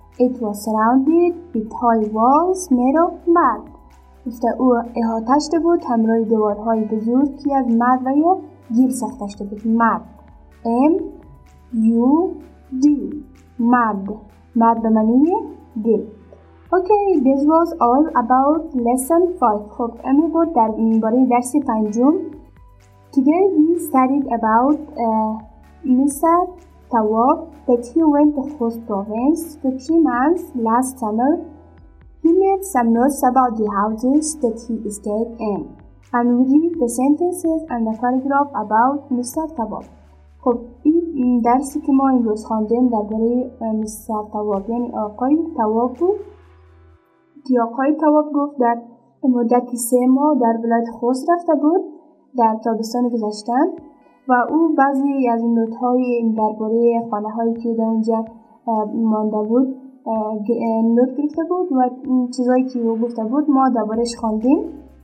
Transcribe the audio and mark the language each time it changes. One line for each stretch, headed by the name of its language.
English: It was surrounded with high walls made of mud.
Persian: گفته او احاطه شده بود همراه دیوارهای بزرگ که از مد و یا گیر ساخته شده بود. مد M-U-D مد به معنی گیر.
English: Okay, this was all about lesson 5.
Persian: خب امی بود در این باره درس پنجم.
English: Today we studied about Mr. Tawab that he went to host province for 3 months last summer. He made some notes about the houses that he stayed in. And we read the sentences and the paragraph about Mr. Tawab.
Persian: خب این درسی که ما این روز خواندیم در باره Mr. Tawab یعنی آقای تواب بود. که آقای تواب گفت در مدت 3 ماه در ولایت خوست رفته بود در تابستان گذشته و او بعضی از نوت های در باره خانه هایی که در اونجا مانده بود نوت گرفته بود و چیزایی که او گفته بود ما دوبارش خواندیم.